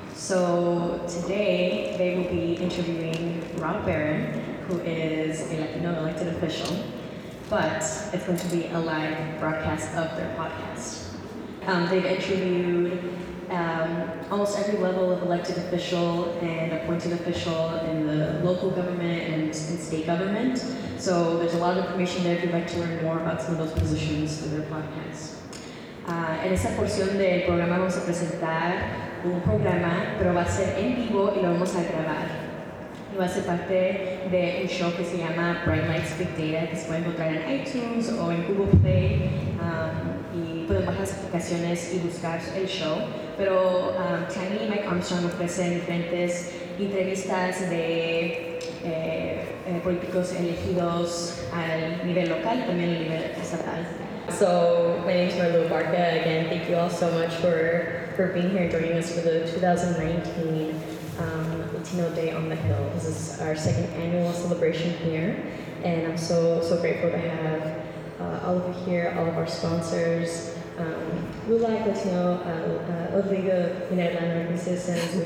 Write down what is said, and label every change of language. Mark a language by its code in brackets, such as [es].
[en] So today, they will be interviewing Rob Barron, who is a Latino elected official, but it's going to be a live broadcast of their podcast. They've interviewed almost every level of elected official and appointed official in the local government and in state government. So there's a lot of information there if you'd like to learn more about some of those positions through their podcast. [es] En esa porción del programa vamos a presentar un programa, pero va a ser en vivo y lo vamos a grabar. Y va a ser parte de un show que se llama Bright Lights Big Data, que se puede encontrar en iTunes o en Google Play. Y pueden bajar las aplicaciones y buscar el show. Pero Tammy y Mike Armstrong ofrecen diferentes entrevistas de políticos elegidos al nivel local y también al nivel estatal. [en] So, my name is Marlu Abarca. Again, thank you all so much for being here and joining us for the 2019 Latino Day on the Hill. This is our second annual celebration here, and I'm so grateful to have all of you here, all of our sponsors, LULAC, Latino, Liga, United Latin American Citizens.